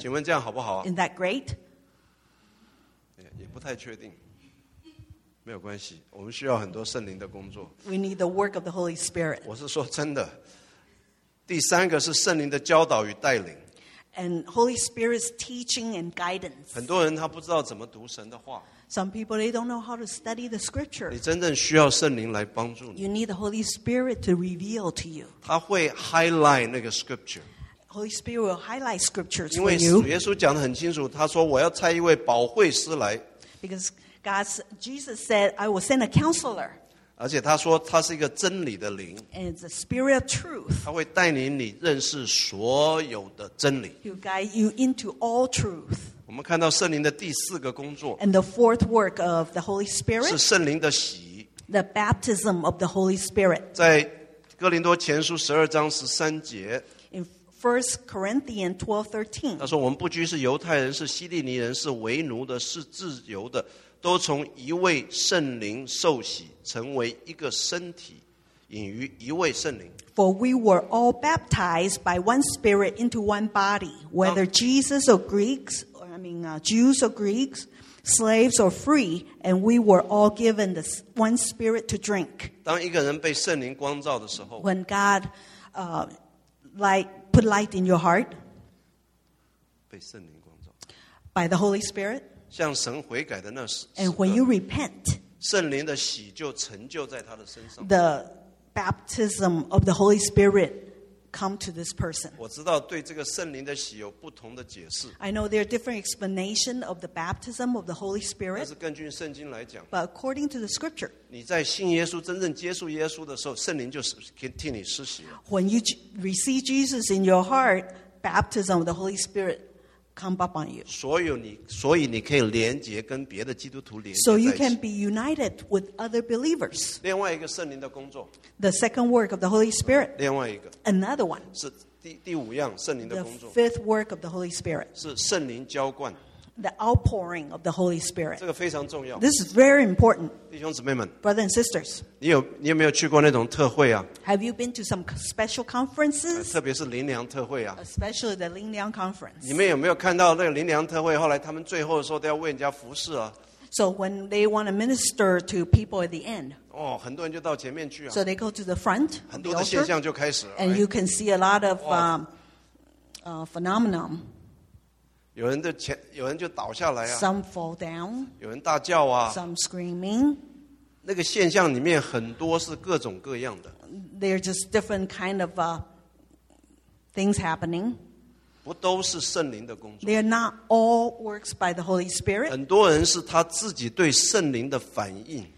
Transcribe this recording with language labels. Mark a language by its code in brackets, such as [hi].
[zh] 请问这样好不好、啊、 [en] Isn't that great? [zh] 也不太确定没有关系我们需要很多圣灵的工作 [en] We need the work of the Holy Spirit [zh] 我是说真的第三个是圣灵的教导与带领 [en] And Holy Spirit's teaching and guidance. [zh] 很多人他不知道怎么读神的话。 [en] Some people they don't know how to study the scripture. [zh] 你真正需要圣灵来帮助你。 [en] You need the Holy Spirit to reveal to you. [zh] 他会 highlight 那个 scripture. [en] Holy Spirit will highlight scriptures for you. [zh] 因为主耶稣讲得很清楚，他说我要差一位保惠师来。 [en] Because Jesus said, I will send a counselor. [zh] 而且他说他是一个真理的灵。 [en] And it's a spirit of truth. [zh] 他会带领你认识所有的真理。 [en] He'll guide you into all truth. [zh] 我们看到圣灵的第四个工作。 [en] And the fourth work of the Holy Spirit. [zh] 是圣灵的洗。 [en] The baptism of the Holy Spirit. [zh] 在哥林多前书十二章十三节。 [en] 1 Corinthians 12:13. [zh] 他说我们不拘是犹太人是希利尼人是为奴的是自由的都从一位圣灵受洗成为一个身体隐于一位圣灵。 [en] For we were all baptized by one spirit into one body, whether Jesus or Greeks, or, Jews or Greeks, slaves or free, and we were all given the one spirit to drink. [zh] 当一个人被圣灵光照的时候 [en] when God, put light in your heart, [zh] 被圣灵光照 [en] by the Holy Spirit, [zh] 向神悔改的那时 [en] and when you repent, [zh] 圣灵的洗就成就在他的身上 [en] the baptism of the Holy Spirit come to this person. [zh] 我知道对这个圣灵的洗有不同的解释 [en] I know there are different explanations of the baptism of the Holy Spirit, [zh] 但是根据圣经来讲 [en] but according to the scripture, [zh] 你在信耶稣真正接触耶稣的时候圣灵就替你施洗了 [en] when you receive Jesus in your heart, baptism of the Holy Spirit come up on you. [zh] 所以你可以连接跟别的基督徒连接在一起 [en] so you can be united with other believers. [zh] 另外一个圣灵的工作 [en] the second work of the Holy Spirit. [zh] 另外一个 [en] another one. [zh] 是第五样圣灵的工作 [en] the fifth work of the Holy Spirit. [zh] 是圣灵浇灌 [en] the outpouring of the Holy Spirit. [zh] 这个非常重要 [en] this is very important. [zh] 弟兄姊妹们 [en] brothers and sisters. [zh] 你有没有去过那种特会啊 [en] have you been to some special conferences [zh] 特别是灵粮特会啊 [en] especially the 灵粮 conference [zh] 你们有没有看到那个灵粮特会后来他们最后的时候都要为人家服侍啊 [en] so when they want to minister to people at the end [zh] 哦，很多人就到前面去啊 [en] so they go to the front [zh] 很多的现象就开始了 [en] and you can see a lot of phenomenon [zh] 有人就倒下来啊 [en] some fall down [zh] 有人大叫啊 [en] some screaming [zh] 那个现象里面很多是各种各样的 [en] They're just different kind of things happening [zh] 不都是圣灵的工作 [en] They're not all works by the Holy Spirit [zh] 很多人是他自己对圣灵的反应